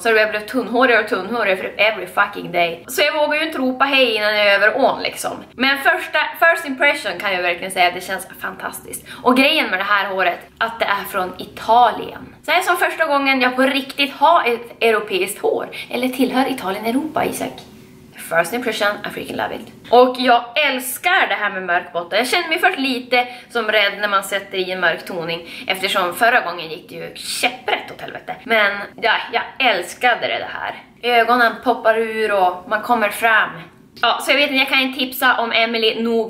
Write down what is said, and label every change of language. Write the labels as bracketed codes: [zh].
[sv] Så jag blev tunnhårigare och tunnhårigare för [en] every fucking day. [sv] Så jag vågar ju inte ropa hej innan jag är över ån liksom. Men [en] first impression [sv] kan jag verkligen säga att det känns fantastiskt. Och grejen med det här håret, att det är från Italien. Så det är som första gången jag på riktigt har ett europeiskt hår. Eller tillhör Italien Europa, Isak. [en] First impression, I freaking love it. [sv] Och jag älskar det här med mörk botten. Jag känner mig först lite som rädd när man sätter i en mörk toning. Eftersom förra gången gick det ju käpprätt åt helvete. Men ja, jag älskade det här. Ögonen poppar ur och man kommer fram. Ja, så jag vet inte, jag kan inte tipsa om Emily nog.